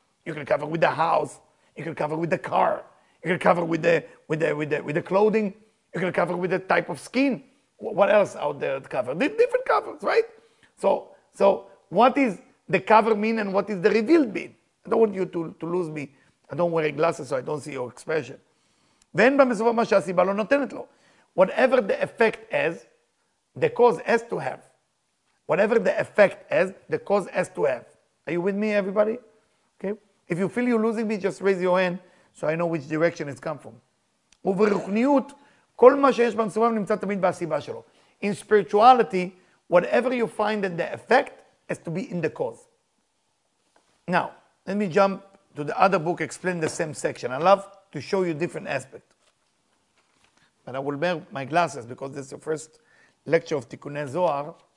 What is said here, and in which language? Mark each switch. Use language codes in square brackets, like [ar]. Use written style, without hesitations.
[en] You can cover with the house. You can cover with the car. You can cover with the clothing. You can cover with the type of skin. What else out there to cover? Different covers, right? So what is the cover mean and what is the revealed mean? I don't want you to lose me. I don't wear glasses, so I don't see your expression. [he] ואין במסובב מה שהסיבה לא נותנת לו. [en] Whatever the effect has, the cause has to have. Whatever the effect has, the cause has to have. Are you with me, everybody? Okay. If you feel you're losing me, just raise your hand so I know which direction it's come from. [he] וברוכניות, כל מה שיש במסובב נמצא תמיד בסיבה שלו. [en] In spirituality, whatever you find in the effect has to be in the cause. Now, let me jump to the other book, explain the same section. I love to show you different aspects. But I will wear my glasses because this is the first lecture of Tikkuni Zohar.